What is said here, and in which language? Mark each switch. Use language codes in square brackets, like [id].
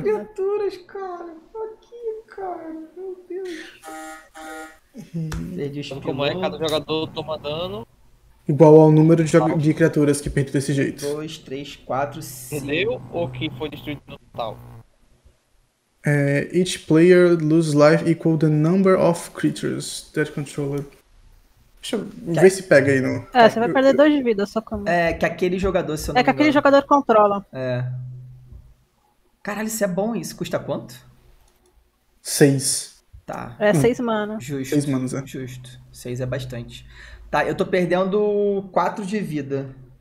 [pt] As criaturas, cara. Aqui, cara. Meu Deus. Perdi os pilotos. Como é? Cada jogador toma dano. Igual ao número de criaturas que perdeu desse jeito. 2, 3, 4, 5. Perdeu ou que foi destruído no total? É, [en] each player loses life equal the number of creatures that control it. [pt] Deixa eu ver se pega aí no... É, você vai perder 2 de vida, só como... É, que aquele jogador, se eu não me engano... É, que aquele jogador controla. É. Caralho, isso é bom, isso custa quanto? 6. Tá. É, 6 mana. Justo. 6 manas, é. Justo. 6 é bastante. Tá, eu tô perdendo 4 de vida.